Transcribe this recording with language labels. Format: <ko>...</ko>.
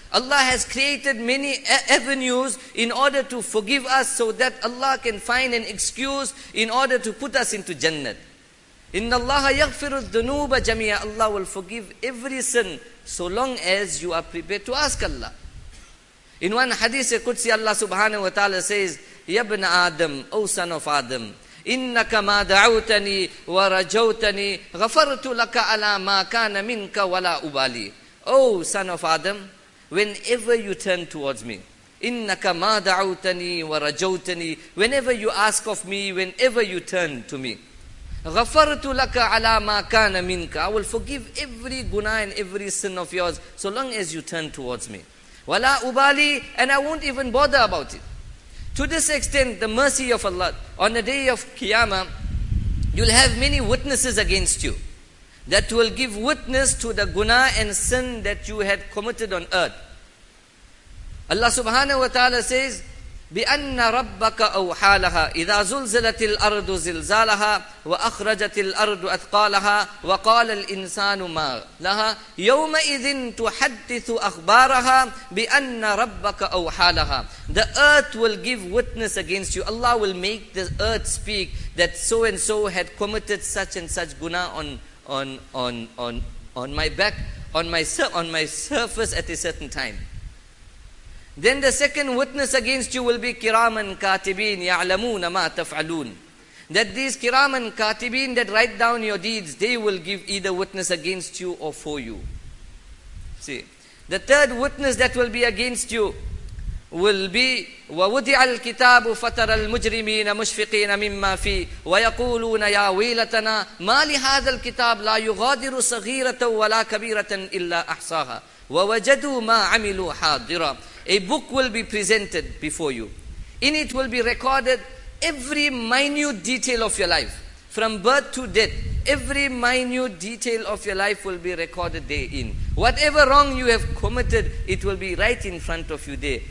<en>Allah has created many avenues in order to forgive us so that Allah can find an excuse in order to put us into Jannah.</en> <ar>إِنَّ اللَّهَ يَغْفِرُ الذُّنُوبَ جَمِيعًا.</ar> <en>Allah will forgive every sin so long as you are prepared to ask Allah. In one hadith, Qudsi, Allah subhanahu wa ta'ala says,</en> <ar>يَبْنَ آدَمْ,</ar> <en>O son of Adam,</en> <ar>إِنَّكَ مَا دَعُوتَنِي وَرَجَوْتَنِي غَفَرْتُ لَكَ عَلَى مَا كَانَ مِنْكَ وَلَا أُبَالِي.</ar> <en>O son of Adam, whenever you turn towards me,</en> <ar>إِنَّكَ مَا دَعُوتَنِي وَرَجَوْتَنِي,</ar> <en>whenever you ask of me, whenever you turn to me,</en> <ar>غَفَرْتُ لَكَ عَلَى مَا كَانَ مِنْكَ,</ar> <en>I will forgive every guna and every sin of yours so long as you turn towards me.</en> <ar>وَلَا أُبَالِي,</ar> <en>and I won't even bother about it. To this extent, the mercy of Allah, on the day of Qiyamah, you'll have many witnesses against you that will give witness to the guna and sin that you had committed on earth. Allah subhanahu wa ta'ala says,</en> <ar>بِأَنَّ رَبَّكَ أَوْحَى لَهَا إِذَا زُلْزِلَتِ الْأَرْضُ زِلْزَالَهَا وَأَخْرَجَتِ الْأَرْضُ أَثْقَالَهَا وَقَالَ الْإِنسَانُ مَا لَهَا يَوْمَئِذٍ تُحَدِّثُ أَخْبَارَهَا بِأَنَّ رَبَّكَ أَوْحَى لَهَا.</ar> <en>The earth will give witness against you. Allah will make the earth speak that so and so had committed such and such guna on my back, on my surface at a certain time. Then the second witness against you will be</en> <ar>kiraman katibin ya'lamuna ma taf'alun.</ar> <en>That these kiraman katibin that write down your deeds, they will give either witness against you or for you. See, the third witness that will be</en> <ar>against you will be وَوُدِعَ الْكِتَابُ فَتَرَ الْمُجْرِمِينَ مُشْفِقِينَ مِمَّا فِي وَيَقُولُونَ يَا وَيْلَتَنَا مَا لِهَذَا الْكِتَابِ لَا يُغَادِرُ صَغِيرَةً وَلَا كَبِيرَةً إِلَّا أَحْصَاهَا وَوَجَدُوا مَا عَمِلُوا حَاضِرًا.</ar> <en>A book will be presented before you. In it will be recorded every minute detail of your life. From birth to death, every minute detail of your life will be recorded therein. Whatever wrong you have committed, it will be right in front of you there.</en>